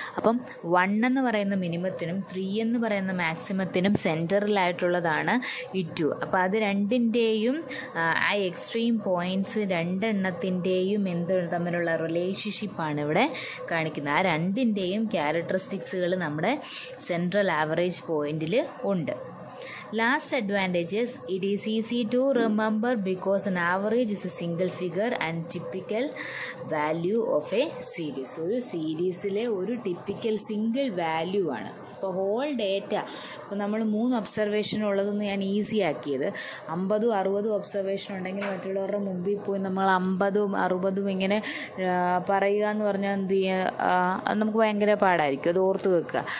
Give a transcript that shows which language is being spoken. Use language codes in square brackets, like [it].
[ml] അപ്പം 1 എന്ന് പറയുന്ന മിനിമത്തിനും 3 എന്ന് പറയുന്ന മാക്സിമത്തിനും സെൻറ്ററിലായിട്ടുള്ളതാണ് ഈ 2. അപ്പോൾ അത് രണ്ടിൻ്റെയും ആ എക്സ്ട്രീം പോയിൻറ്റ്സ് രണ്ടെണ്ണത്തിൻ്റെയും എന്ത് തമ്മിലുള്ള റിലേഷൻഷിപ്പാണ് ഇവിടെ കാണിക്കുന്നത്. ആ രണ്ടിൻ്റെയും ക്യാരക്ടറിസ്റ്റിക്സുകൾ നമ്മുടെ സെൻട്രൽ ആവറേജ് പോയിൻ്റിൽ ഉണ്ട്. [en] Last advantage is it is easy to remember because an average is a single figure and typical value of a series. [ml] ഒരു സീരീസിലെ ഒരു ടിപ്പിക്കൽ സിംഗിൾ വാല്യൂ ആണ്. ഇപ്പോൾ ഹോൾ ഡേറ്റ, ഇപ്പോൾ നമ്മൾ മൂന്ന് ഒബ്സർവേഷൻ ഉള്ളതൊന്ന് ഞാൻ ഈസി ആക്കിയത്, 50-60 ഒബ്സർവേഷൻ ഉണ്ടെങ്കിൽ മറ്റുള്ളവരുടെ മുമ്പിൽ പോയി നമ്മൾ 50-60 ഇങ്ങനെ പറയുക എന്ന് പറഞ്ഞാൽ എന്ത് ചെയ്യുക, നമുക്ക് ഭയങ്കര പാടായിരിക്കും, അത് ഓർത്ത് വെക്കുക.